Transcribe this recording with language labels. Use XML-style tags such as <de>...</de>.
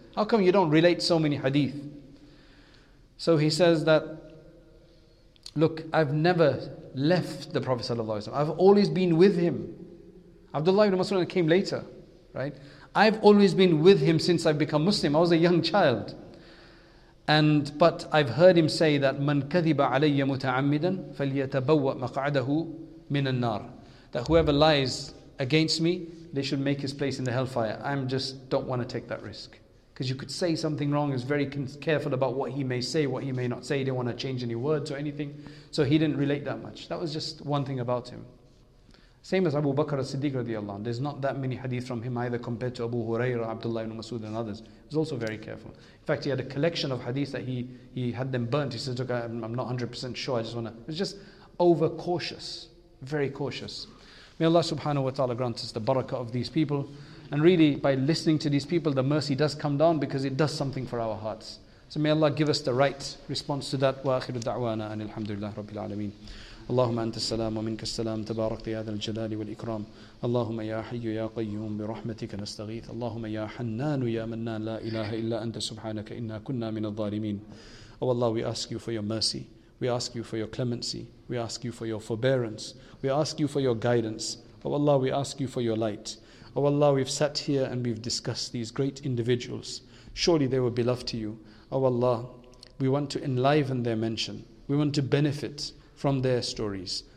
<en>How come you don't relate so many hadith? So he says that, look, I've never left the Prophet sallallahu alaihi wasallam. I've always been with him. Abdullah ibn Mas'ud came later, right? I've always been with him since I've become Muslim. I was a young child. But I've heard him say that</en> <ar>مَنْ كَذِبَ عَلَيَّ مُتَعَمِّدًا فَلْيَتَبَوَّأْ مَقْعَدَهُ مِنَ النَّارِ.</ar> <en>That whoever lies against me, they should make his place in the hellfire. I just don't want to take that risk. Because you could say something wrong, he's very careful about what he may say, what he may not say. He didn't want to change any words or anything. So he didn't relate that much. That was just one thing about him. Same as Abu Bakr as-Siddiq radiallahu anhu. There's not that many hadith from him either compared to Abu Hurairah, Abdullah ibn Mas'ud and others. He's also very careful. In fact, he had a collection of hadith that he had them burnt. He says, look, I'm not 100% sure. I just want to... It's just over-cautious. Very cautious. May Allah subhanahu wa ta'ala grant us the barakah of these people. And really, by listening to these people, the mercy does come down because it does something for our hearts. So may Allah give us the right response to that.</en> <ar>Wa akhiru da'wana and alhamdulillah rabbil alameen. اللهم أنت السلام ومنك السلام تباركت يا ذا الجلال والإكرام اللهم يا حي يا قيوم برحمتك نستغيث اللهم يا حنان يا منان لا إله إلا أنت سبحانك إنا كنا من الظالمين.</ar> <en>Oh Allah, we ask you for your mercy, we ask you for your clemency, we ask you for your forbearance, we ask you for your guidance. Oh Allah, we ask you for your light. Oh Allah, we've sat here and we've discussed these great individuals. Surely they were beloved to you. Oh Allah, we want to enliven their mention, we want to benefit from their stories.</en>